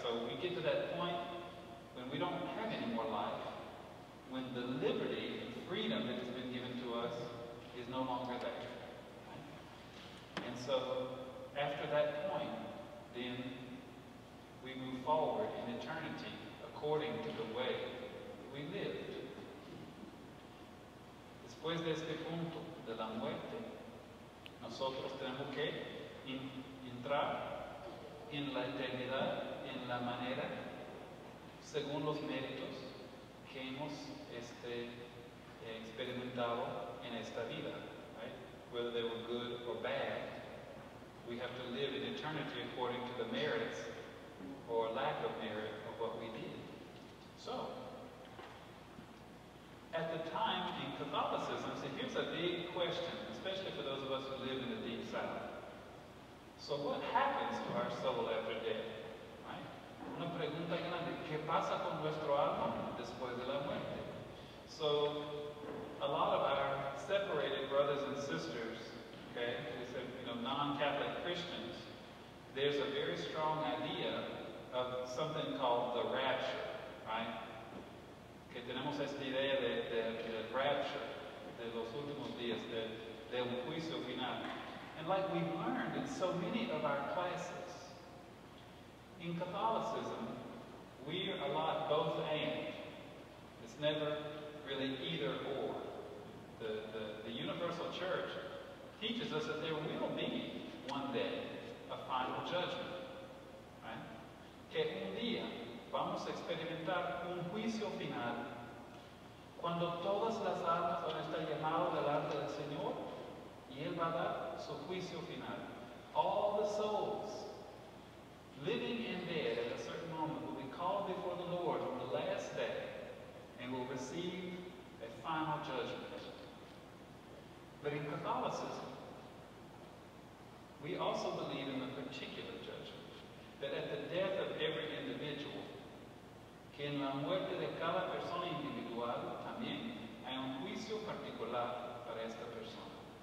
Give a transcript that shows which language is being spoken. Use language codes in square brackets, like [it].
[en] So we get to that point when we don't have any more life, when the liberty and freedom that has been given to us is no longer there. Right? And so after that point, then we move forward in eternity according to the way we lived. [es] Después de este punto de la muerte, nosotros tenemos que entrar en la eternidad en la manera según los méritos que hemos experimentado en esta vida. [en] Right? Whether they were good or bad, we have to live in eternity according to the merits or lack of merit of what we did. So, at the time in Catholicism, see, here's a big question, especially for those of us who live in the deep south. So what happens to our soul after death? Right? [es] Una pregunta grande, ¿qué pasa con nuestro alma después de la muerte? [en] So, a lot of our separated brothers and sisters, okay, they said, you know, non-Catholic Christians, there's a very strong idea of something called the rapture. Right? [es] Que tenemos esta idea de rapture, de los últimos días, de un juicio final. [en] And like we've learned in so many of our classes, in Catholicism, we're a lot both and. It's never really either or. The Universal Church teaches us that there will be one day a final judgment. [es] Right? Que un día vamos a experimentar un juicio final. Cuando todas las almas van a estar llamadas delante del Señor, y Él va a dar su juicio final. [en] All the souls, living and dead at a certain moment, will be called before the Lord on the last day and will receive a final judgment. But in Catholicism, we also believe in a particular judgment, that at the death of every individual, [es] que en la muerte de cada persona individual, también, hay un juicio particular para esta persona.